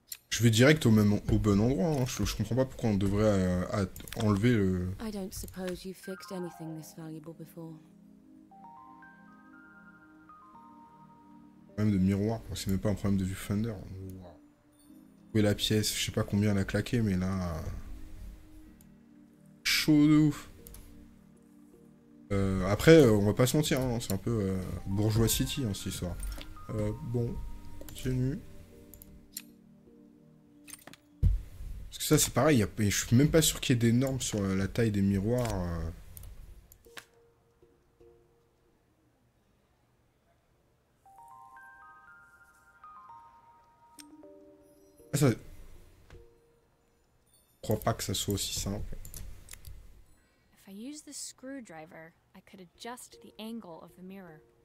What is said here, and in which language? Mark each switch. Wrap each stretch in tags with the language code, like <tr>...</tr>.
<fr>Je vais direct au même au bon endroit. Hein. Je comprends pas pourquoi on devrait enlever le.</fr> <en>I don't suppose you've fixed anything this valuable before.</en> <fr>Problème de miroir. C'est même pas un problème de viewfinder. Wow. Où est la pièce ? Je sais pas combien elle a claqué, mais là. Chaud de ouf. Après, on va pas se mentir. Hein. C'est un peu Bourgeois City hein, cette histoire. Bon, continue. Ça c'est pareil, je suis même pas sûr qu'il y ait des normes sur la taille des miroirs. Ah, ça... Je crois pas que ça soit aussi simple.</fr> <en>If I use the screwdriver, I could adjust the angle of the mirror.</en>